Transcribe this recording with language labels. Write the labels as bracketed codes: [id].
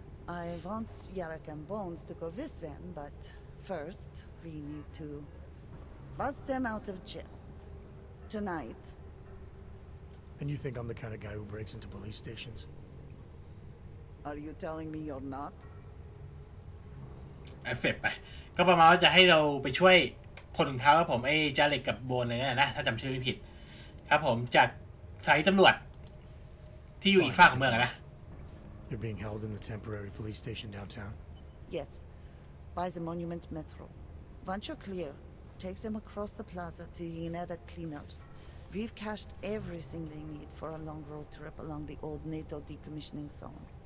[en] I want Yarek and Bones to go with them, but first we need to bust them out of jail. Tonight. And you think I'm the kind of guy who breaks into police stations? Are you telling me you're not? [th] เสร็จไปก็ประมาณว่าจะให้เราไปช่วยคนของเขาครับผมไอ้จาเล็กกับโบนอะไรเงี้ยนะถ้าจำชื่อไม่ผิดครับผมจากสายตำรวจที่อยู่อีกฝากของเมืองนะ [en] You're being held in the temporary police station downtown. Yes. By the Monument Metro. Once you're clear, take them across the plaza to the United Cleaners. We've cached everything they need for a long road trip along the old NATO decommissioning zone.